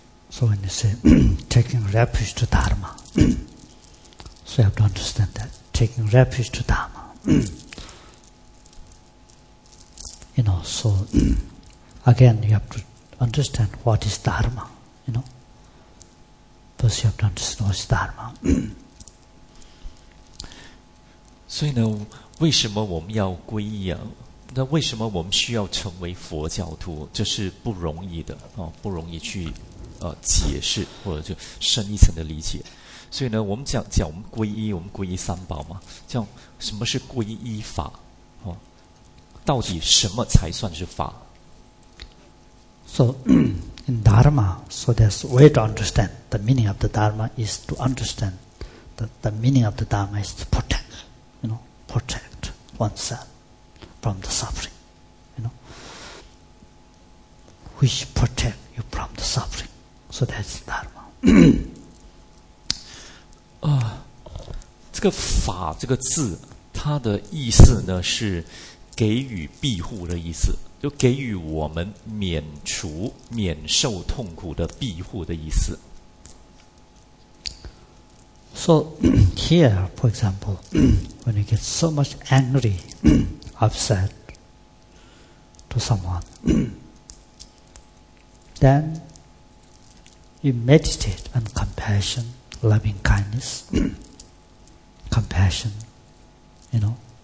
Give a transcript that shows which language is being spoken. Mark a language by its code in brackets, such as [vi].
[en] so when you say taking refuge to Dharma, so you have to understand that taking refuge to Dharma, you know, so again you have to understand what is Dharma. First, you have to understand what is Dharma. [zh] 所以呢，为什么我们要皈依啊？那为什么我们需要成为佛教徒？这是不容易的啊，不容易去解释或者就深一层的理解。所以呢，我们讲我们皈依，我们皈依三宝嘛。叫什么是皈依法？到底什么才算是法 [en] ？So. In Dharma, so there's a way to understand the meaning of the Dharma is to understand that the meaning of the Dharma is to protect, you know, protect oneself from the suffering, you know, which protect you from the suffering. So that's Dharma. [zh] 这个法这个字，它的意思呢是给予庇护的意思。就给予我们免除、免受痛苦的庇护的意思。 [en] So here, for example, when you get so much angry, upset to someone, then you meditate on compassion, loving kindness, compassion, you know.